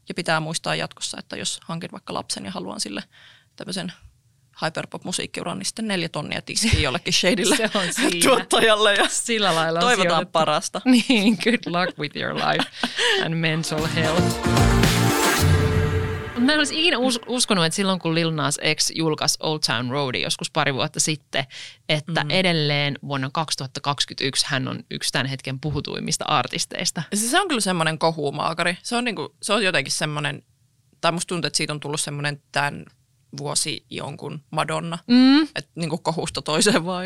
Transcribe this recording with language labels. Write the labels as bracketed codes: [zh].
[fi] Ja pitää muistaa jatkossa, että jos hankin vaikka lapsen ja haluan sille tämmöisen hyperpop-musiikkiuran, niin sitten 4 000 tiskiin jollekin shadille tuottajalle. Ja sillä lailla toivotaan parasta. [en] Niin, good luck with your life and mental health. [fi] Mä en olisi ikinä uskonut, että silloin kun Lil Nas X julkaisi Old Town Road joskus pari vuotta sitten, että edelleen vuonna 2021 hän on yksi tämän hetken puhutuimmista artisteista. Se on kyllä semmoinen kohumaakari. Se on, niin kuin, se on jotenkin semmoinen, tai musta tuntuu, että siitä on tullut semmoinen tämän vuosi jonkun Madonna, että niin kuin kohusta toiseen vaan.